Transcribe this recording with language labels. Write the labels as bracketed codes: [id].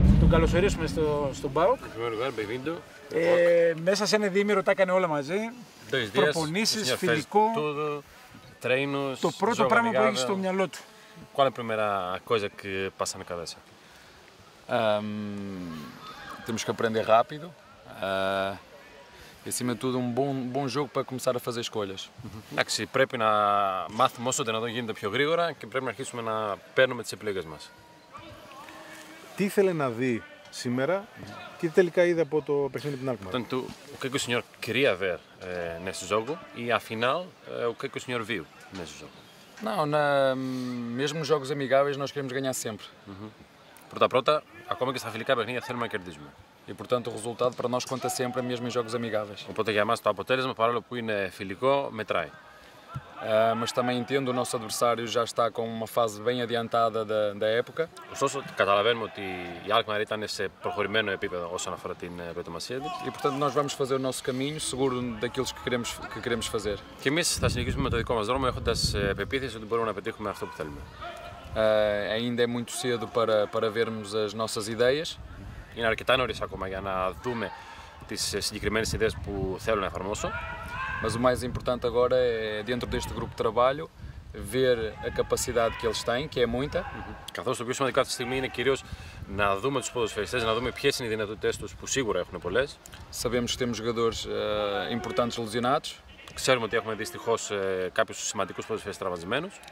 [el] καλωσορίσουμε στο ΠΑΟΚ. [es] Bienvenido. [el] Μέσα σε ένα διήμερο τα έκανε όλα μαζί. Προπονήσεις, φιλικό. [pt] Treinos, [el] το πρώτο πράγμα που έχει στο μυαλό του. [pt] Qual é a primeira coisa que passa na cabeça? Temos que aprender rápido. Acima de tudo, bom jogo para começar a fazer escolhas. [el] Εντάξει, πρέπει να μάθουμε όσο δυνατόν γίνεται πιο γρήγορα και πρέπει να αρχίσουμε να παίρνουμε τις επιλογές μας. Τι ήθελε να δει σήμερα και τι τελικά είδε από το παιχνίδι με την Alkmaar. Ήταν του, ο κρίκος σινιόρ [pt] queria ver nesse jogo e afinal o que que o senhor viu nesse jogo? Não, mesmo jogos amigáveis nós queremos ganhar sempre. [el] Πρώτα-πρώτα, ακόμα και στα φιλικά παιχνίδια θέλουμε να κερδίσουμε. [pt] E portanto o resultado para nós conta sempre mesmo em jogos amigáveis. [el] Οπότε για μας το αποτέλεσμα, παρόλο που είναι φιλικό, μετράει. [pt] Mas também entendo, o nosso adversário já está com uma fase bem adiantada da época. [el] Ωστόσο, καταλαβαίνουμε ότι η Alkmaar ήταν σε προχωρημένο επίπεδο όσον αφορά την προετοιμασία της. [pt] E portanto nós vamos fazer o nosso caminho, seguro daquilo que queremos fazer. [el] Και εμείς θα συνεχίσουμε με το δικό μας δρόμο, έχοντας πεποίθηση ότι μπορούμε να πετύχουμε αυτό που θέλουμε. [pt] Ainda é muito cedo para vermos as nossas ideias. [el] Είναι αρκετά νωρίς ακόμα για να δούμε τις συγκεκριμένες ιδέες που θέλω να εφαρμόσω. [pt] Mas o mais importante agora é, dentro deste grupo de trabalho, ver a capacidade que eles têm, que é muita. [el] Καθώς το πιο σημαντικό αυτή τη στιγμή είναι κυρίως να δούμε τους ποδοσφαιριστές, να δούμε ποιες είναι οι δυνατότητές τους, που σίγουρα έχουν πολλές. [pt] Sabemos que temos jogadores importantes lesionados. [el] Ξέρουμε ότι έχουμε δυστυχώς κάποιους σημαντικούς ποδοσφαιριστές τραυματισμένους.